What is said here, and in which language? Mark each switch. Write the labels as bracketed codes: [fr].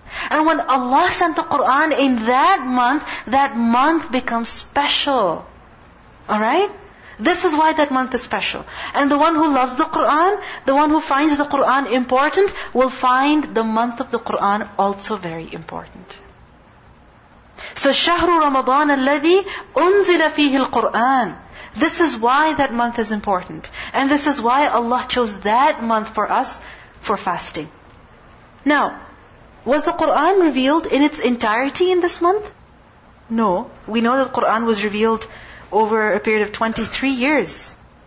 [en] And when Allah sent the Qur'an in that month becomes special. Alright? This is why that month is special. And the one who loves the Qur'an, the one who finds the Qur'an important, will find the month of the Qur'an also very important. So, [ar] شهر رمضان الذي أنزل فيه القرآن. [en] This is why that month is important. And this is why Allah chose that month for us for fasting. Now, was the Qur'an revealed in its entirety in this month? No. We know that the Qur'an was revealed over a period of 23 years.